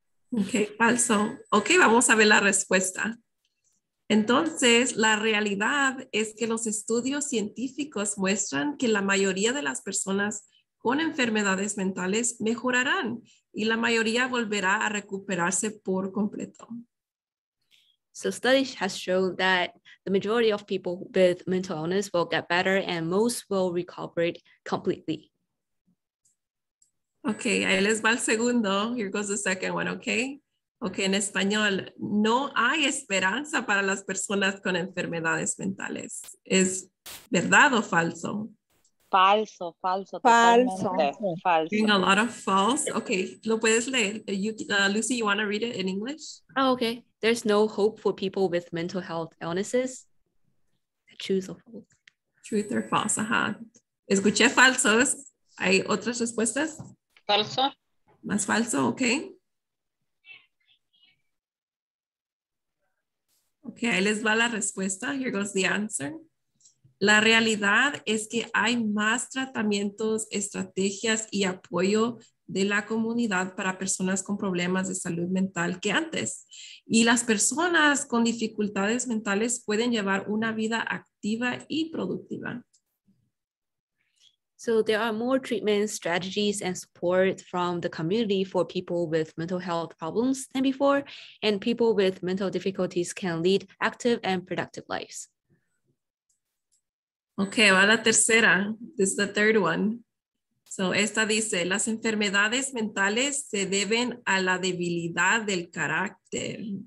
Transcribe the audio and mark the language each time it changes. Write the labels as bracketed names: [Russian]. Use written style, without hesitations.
[Spanish] Okay, falso. Okay, vamos a ver la respuesta. Entonces, la realidad es que los estudios científicos muestran que la mayoría de las personas con enfermedades mentales mejorarán y la mayoría volverá a recuperarse por completo. [English] So studies have shown that the majority of people with mental illness will get better and most will recuperate completely. [Spanish] Okay, ahí les va el segundo. [English] Here goes the second one, okay? [Spanish] Okay, en español, no hay esperanza para las personas con enfermedades mentales. ¿Es verdad o falso? Falso. [English] Hearing a lot of false. Okay, [Spanish] lo puedes leer. [English] Lucy, you want to read it in English? Oh, okay. There's no hope for people with mental health illnesses. Choose or false. Truth or false, [Spanish] ajá. Escuché falsos. ¿Hay otras respuestas? Falso. Más falso, okay. Okay, ahí les va la respuesta. [English] Here goes the answer. [Spanish] La realidad es que hay más tratamientos, estrategias y apoyo de la comunidad para personas con problemas de salud mental que antes. Y las personas con dificultades mentales pueden llevar una vida activa y productiva. [English] So there are more treatment strategies and support from the community for people with mental health problems than before, and people with mental difficulties can lead active and productive lives. [Spanish] Okay, va la tercera. [English] This is the third one. [Spanish] So esta dice, las enfermedades mentales se deben a la debilidad del carácter.